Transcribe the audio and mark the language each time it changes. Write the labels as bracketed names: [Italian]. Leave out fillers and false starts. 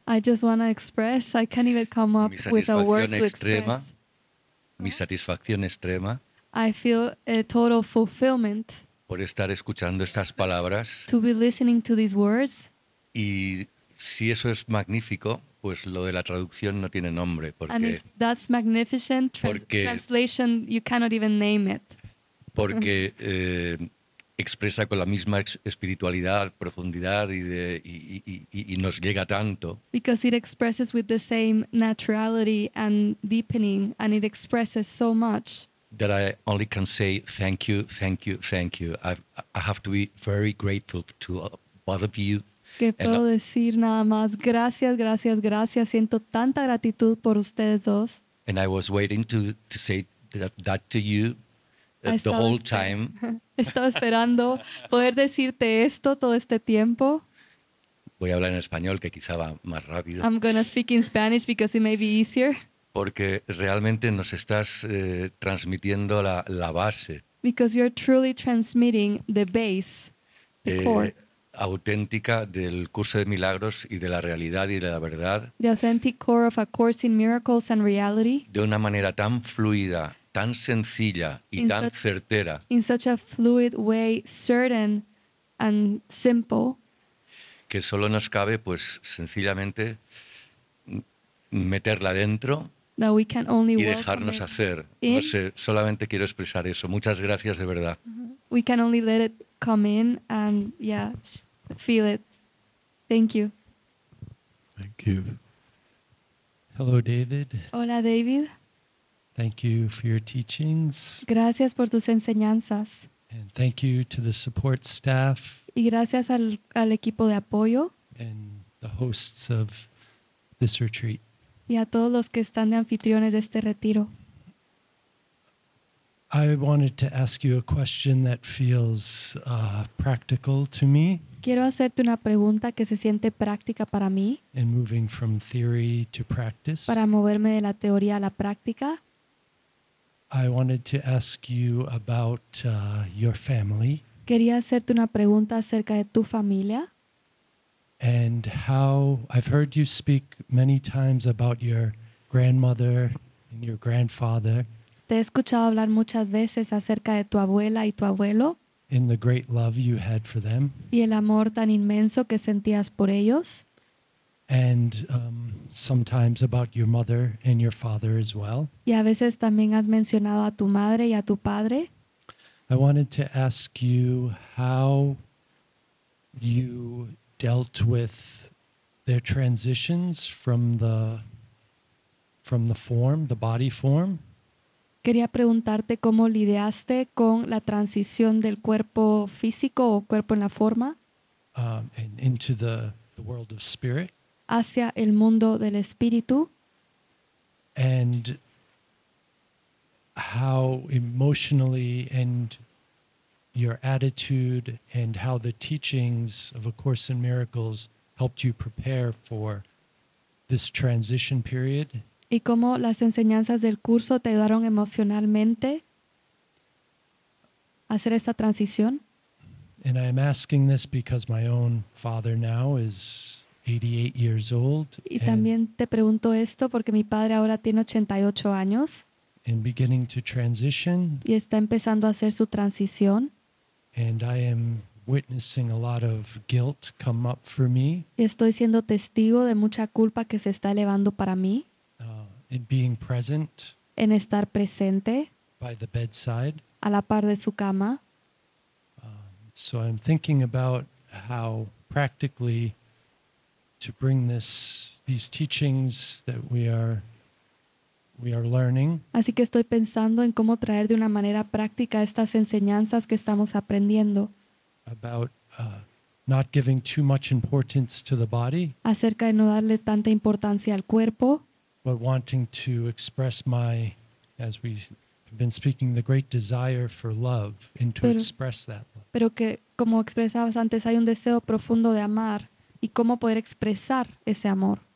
[English] I just want to express, I can't even come up with a word to [Spanish] extrema, [English] express. [Spanish] Mi satisfacción extrema. [English] I feel a total fulfillment [Spanish] por estar escuchando estas palabras. [English] To be listening to these words. [Spanish] Y si eso es magnífico, pues lo de la traducción no tiene nombre. Porque, [English] and if that's magnificent, translation, you cannot even name it. [Spanish] Porque expresa con la misma espiritualidad, profundidad y nos llega tanto. [English] Because it expresses with the same naturality and deepening, and it expresses so much. That I only can say thank you, thank you, thank you. I have to be very grateful to both of you. [Spanish] Que puedo decir nada más. Gracias, gracias, gracias. Siento tanta gratitud por ustedes dos. [English] And I was waiting to say that to you the whole time. [Spanish] Estaba esperando poder decirte esto todo este tiempo. Voy a hablar en español, que quizá va más rápido. [English] I'm going to speak in Spanish because it may be easier. [Spanish] Porque realmente nos estás transmitiendo la base. [English] Because you're truly transmitting the base, the core. [Spanish] Auténtica del curso de milagros y de la realidad y de la verdad. [English] The authentic core of a course in miracles and reality. [Spanish] De una manera tan fluida, tan sencilla y tan certera. [English] In such a fluid way, certain and simple. [Spanish] Que solo nos cabe, pues, sencillamente meterla dentro. [English] That we can only [Spanish] y dejarnos hacer. [English] In. [Spanish] No sé, solamente quiero expresar eso. Muchas gracias, de verdad. [English] We can only let it come in and, yeah, feel it. Thank you. Thank you. Hello, David. [Spanish] Hola, David. [English] Thank you for your teachings. [Spanish] Gracias por tus enseñanzas. [English] And thank you to the support staff. [Spanish] Y gracias al equipo de apoyo. [English] And the hosts of this retreat. [Spanish] Y a todos los que están de anfitriones de este retiro. [English] I wanted to ask you a question that feels practical to me. [Spanish] Quiero hacerte una pregunta que se siente práctica para mí. [English] In moving from theory to practice. [Spanish] Para moverme de la teoría a la práctica. [English] I wanted to ask you about your family. [Spanish] Quería hacerte una pregunta acerca de tu familia. [English] And how I've heard you speak many times about your grandmother and your grandfather. [Spanish] Te he escuchado hablar muchas veces acerca de tu abuela y tu abuelo. [English] In the great love you had for them. [Spanish] Y el amor tan inmenso que sentías por ellos. [English] And sometimes about your mother and your father as well. [Spanish] Y a veces también has mencionado a tu madre y a tu padre. [English] I wanted to ask you how you dealt with their transitions from the form, the body form. [Spanish] Quería preguntarte cómo lidiaste con la transición del cuerpo físico o cuerpo en la forma. [English] And into the world of spirit. [Spanish] Hacia el mundo del espíritu. [English] And how emotionally and your attitude and how the teachings of A Course in Miracles helped you prepare for this transition period. [Spanish] Y cómo las enseñanzas del curso te ayudaron emocionalmente a hacer esta transición. [English] And I am asking this because my own father now is 88 years old. [Spanish] Y también te pregunto esto porque mi padre ahora tiene 88 años. [English] And beginning to transition. [Spanish] Y está empezando a hacer su transición. [English] And I am witnessing a lot of guilt come up for me. [Spanish] Y estoy siendo testigo de mucha culpa que se está elevando para mí. [English] In being present. [Spanish] En estar presente. [English] By the bedside. [Spanish] A la par de su cama. [English] So I'm thinking about how practically to bring these teachings that we are learning. [Spanish] Así que estoy pensando en cómo traer de una manera práctica estas enseñanzas que estamos aprendiendo. [English] About not giving too much importance to the body. [Spanish] Acerca de no darle tanta importancia al cuerpo. [English] But wanting to express my, as we have been speaking, the great desire for love and to express that love. [Spanish] Pero que, como expresabas antes, hay un deseo profundo de amar y cómo poder expresar ese amor.